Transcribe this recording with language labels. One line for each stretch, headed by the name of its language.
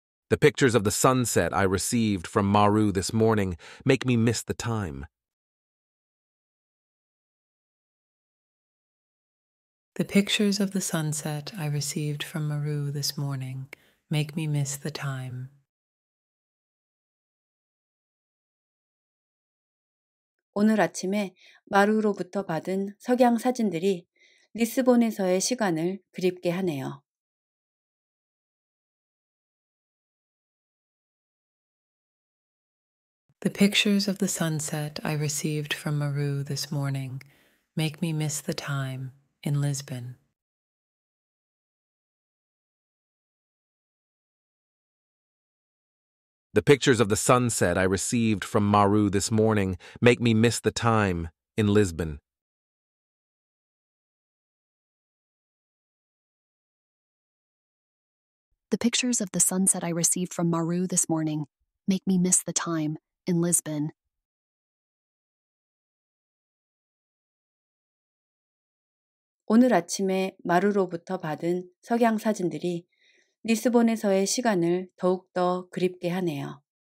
English: The pictures of the sunset I received from Maru this morning make me miss the time. The pictures of the sunset I received from Maru this morning make me miss the time.
Korean: 오늘 아침에 마루로부터 받은 석양 사진들이 리스본에서의 시간을 그립게 하네요.
English: The pictures of the sunset I received from Maru this morning make me miss the time in Lisbon. The pictures of the sunset I received from Maru this morning make me miss the time in Lisbon. The pictures of the sunset I received from Maru this morning make me miss the time in Lisbon. Today,
Korean: 아침에 마루로부터 받은 석양 사진들이 리스본에서의 시간을 더욱더 그립게 하네요.